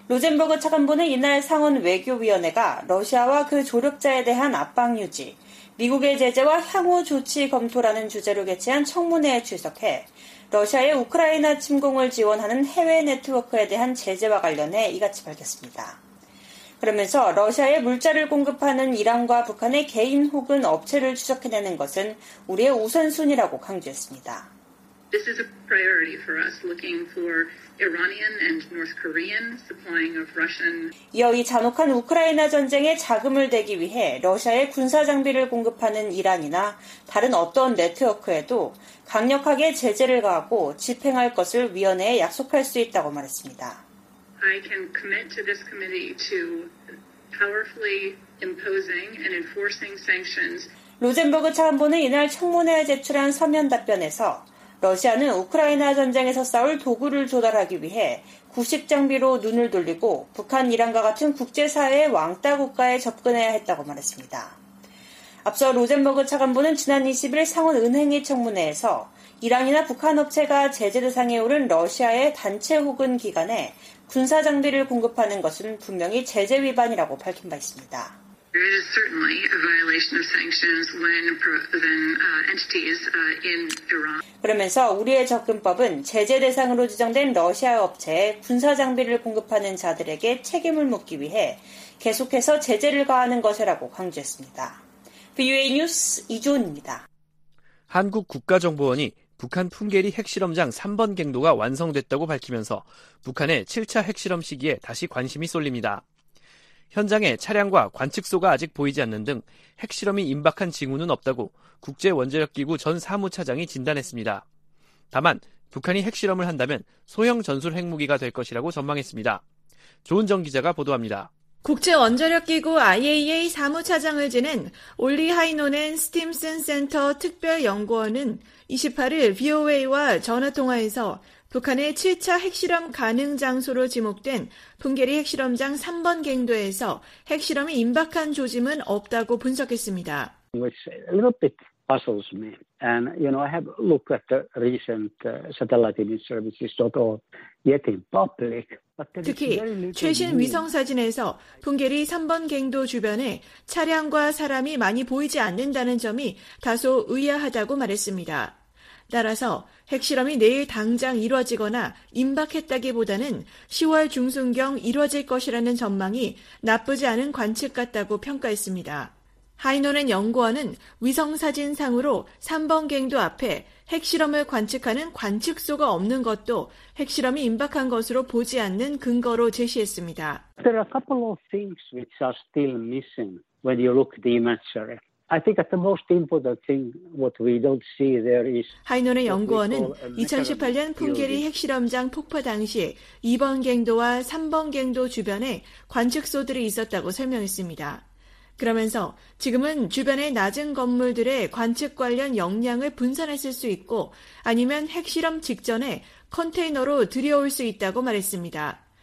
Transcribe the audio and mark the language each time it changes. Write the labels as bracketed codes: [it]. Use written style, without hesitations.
[ko] 로젠버그 차관보는 이날 상원 외교위원회가 러시아와 그 조력자에 대한 압박 유지, 미국의 제재와 향후 조치 검토라는 주제로 개최한 청문회에 출석해 러시아의 우크라이나 침공을 지원하는 해외 네트워크에 대한 제재와 관련해 이같이 밝혔습니다. 그러면서 러시아에 물자를 공급하는 이란과 북한의 개인 혹은 업체를 추적해내는 것은 우리의 우선순위라고 강조했습니다. [en] This is a priority for us looking for Iranian and North Korean supplying of Russian. [ko] 이어 이 잔혹한 우크라이나 전쟁에 자금을 대기 위해 러시아에 군사 장비를 공급하는 이란이나 다른 어떤 네트워크에도 강력하게 제재를 가하고 집행할 것을 위원회에 약속할 수 있다고 말했습니다. [en] I can commit to this committee to powerfully imposing and enforcing sanctions. [ko] 로젠버그 차관보는 이날 청문회에 제출한 서면 답변에서 러시아는 우크라이나 전쟁에서 싸울 도구를 조달하기 위해 구식 장비로 눈을 돌리고 북한, 이란과 같은 국제사회의 왕따 국가에 접근해야 했다고 말했습니다. 앞서 로젠버그 차관보는 지난 20일 상원 은행의 청문회에서 이란이나 북한 업체가 제재 대상에 오른 러시아의 단체 혹은 기관에 군사 장비를 공급하는 것은 분명히 제재 위반이라고 밝힌 바 있습니다. [en] There is certainly a violation of sanctions when entities in Iran. [ko] 그러면서 우리의 접근법은 제재 대상으로 지정된 러시아 업체에 군사 장비를 공급하는 자들에게 책임을 묻기 위해 계속해서 제재를 가하는 것이라고 강조했습니다. VOA 뉴스 이준입니다. 한국 국가정보원이 북한 풍계리 핵실험장 3번 갱도가 완성됐다고 밝히면서 북한의 7차 핵실험 시기에 다시 관심이 쏠립니다. 현장에 차량과 관측소가 아직 보이지 않는 등 핵실험이 임박한 징후는 없다고 국제원자력기구 전 사무차장이 진단했습니다. 다만 북한이 핵실험을 한다면 소형 전술 핵무기가 될 것이라고 전망했습니다. 조은정 기자가 보도합니다. 국제원자력기구 IAEA 사무차장을 지낸 올리 하이노넨 스팀슨 센터 특별연구원은 28일 VOA와 전화통화에서 북한의 7차 핵실험 가능 장소로 지목된 풍계리 핵실험장 3번 갱도에서 핵실험이 임박한 조짐은 없다고 분석했습니다. [en] It was a little bit puzzles me. And, you know, I have looked at the recent satellite image services that are yet in public. [ko] 특히 최신 위성사진에서 풍계리 3번 갱도 주변에 차량과 사람이 많이 보이지 않는다는 점이 다소 의아하다고 말했습니다. 따라서 핵실험이 내일 당장 이루어지거나 임박했다기보다는 10월 중순경 이루어질 것이라는 전망이 나쁘지 않은 관측 같다고 평가했습니다. 하이노넨 연구원은 위성사진상으로 3번 갱도 앞에 핵실험을 관측하는 관측소가 없는 것도 핵실험이 임박한 것으로 보지 않는 근거로 제시했습니다. [en] There are a couple of things which are still missing when you look at the imagery. I think that the most important thing what we don't see there is [ko] 하이노넨 연구원은 2018년 풍계리 핵실험장 폭파 당시 2번 갱도와 3번 갱도 주변에 관측소들이 있었다고 설명했습니다. 그러면서 지금은 주변의 낮은 건물들의 관측 관련 역량을 분산했을 수 있고 아니면 핵실험 직전에 컨테이너로 들여올 수 있다고 말했습니다.